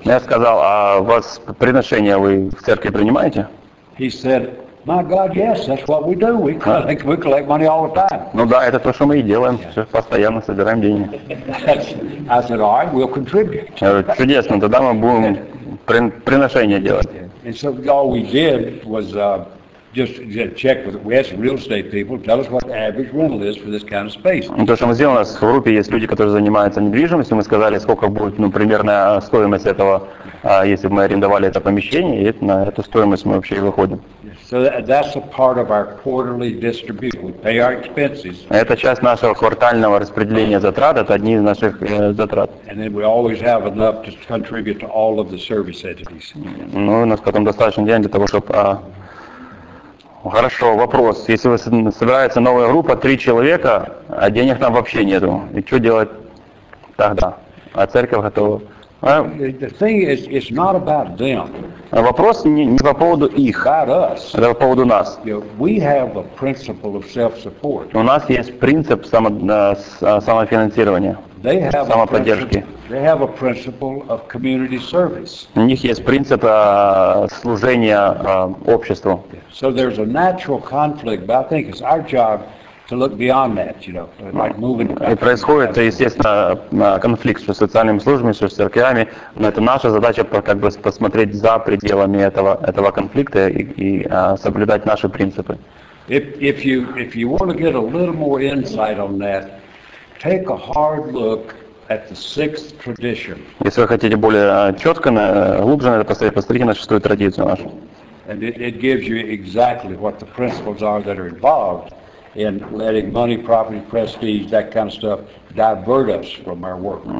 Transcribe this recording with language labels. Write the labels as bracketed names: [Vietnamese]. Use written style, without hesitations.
[Russian] Я сказал, а у вас приношения вы в церкви принимаете? [English] He said, my God, yes, that's what we do. We collect money all the time. [Russian] Ну да, это то, что мы и делаем. Все постоянно собираем деньги. [English] I said, all right, we'll contribute. [Russian] Чудесно, тогда мы будем приношение делать. [English] And so all we did was just check with we asked real estate people, tell us what the average rental is for this kind of space. [Russian] То, что мы сделали, у нас в группе есть люди, которые занимаются недвижимостью, мы сказали, сколько будет, ну, примерная стоимость этого, если бы мы арендовали это помещение, и на эту стоимость мы вообще и выходим. [English] So that's a part of our quarterly distribution. We pay our expenses. [Russian] Это часть нашего квартального распределения затрат, это одни из наших затрат. [English] And then we always have enough to contribute to all of the service entities. [Russian] Ну, у нас потом достаточно денег для того, чтобы. Хорошо, вопрос. Если собирается новая группа, 3 человека, а денег там вообще нету, и что делать тогда? А церковь готова? [English] The thing is, it's not about them. [Russian] Вопрос не по поводу их, это по поводу нас. [English] We have a principle of self-support. [Russian] У нас есть принцип самофинансирования, самоподдержки. [English] They have a principle of community service. [Russian] У них есть принцип служения обществу. [English] So there's a natural conflict, but I think it's our job to look beyond that, you know, like moving. [Russian] И происходит, естественно, конфликт с социальными службами, с церквями, но это наша задача как бы посмотреть за пределами этого конфликта и соблюдать наши принципы. [English] If you want to get a little more insight on that, take a hard look at the sixth tradition. [Russian] Если вы хотите более четко, глубже на это посмотрите на шестую традицию нашу. [English] And it gives you exactly what the principles are that are involved in letting money, property, prestige, that kind of stuff divert us from our work.